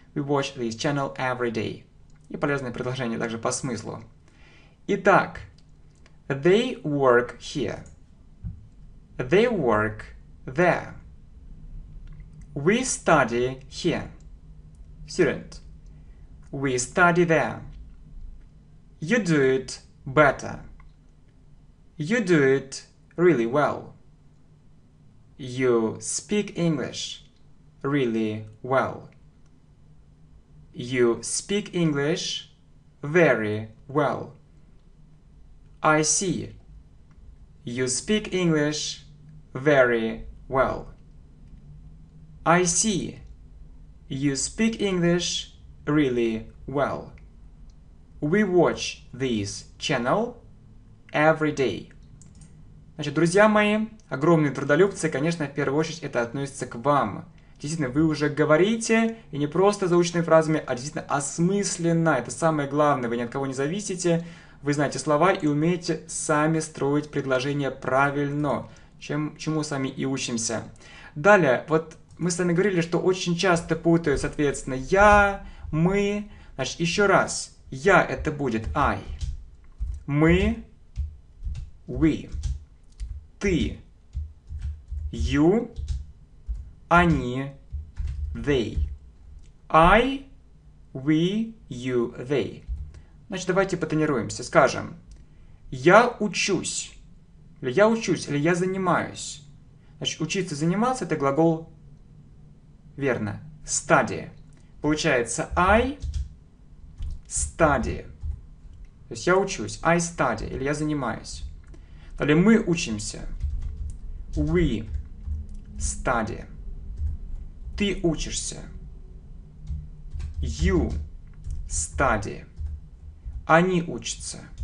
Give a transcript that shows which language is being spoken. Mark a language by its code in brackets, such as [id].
[en] We watch this channel every day. [ru] И полезное предложение также по смыслу. [en] Итак, they work here. They work there. We study here. Student. We study there. You do it better. You do it really well. You speak English really well. You speak English very well. I see. You speak English very well. I see. You speak English really well. We watch this channel every day. [ru] Значит, друзья мои, огромные трудолюбцы, конечно, в первую очередь это относится к вам. Действительно, вы уже говорите, и не просто заученными фразами, а действительно осмысленно. Это самое главное, вы ни от кого не зависите. Вы знаете слова и умеете сами строить предложения правильно, чему сами и учимся. Далее, вот мы с вами говорили, что очень часто путают, соответственно, я, мы. Значит, еще раз. Я — это будет I. Мы — we. Ты — you. Они — they. [en] I — we, you, they. [ru] Значит, давайте потренируемся. Скажем, я учусь, или я учусь, или я занимаюсь. Значит, учиться, заниматься — это глагол, верно, study. [en] Получается, I study. [ru] То есть, я учусь, [en] I study, [ru] или я занимаюсь. Далее, мы учимся. [en] We study. [ru] Ты учишься. [en] You study. [ru] Они учатся.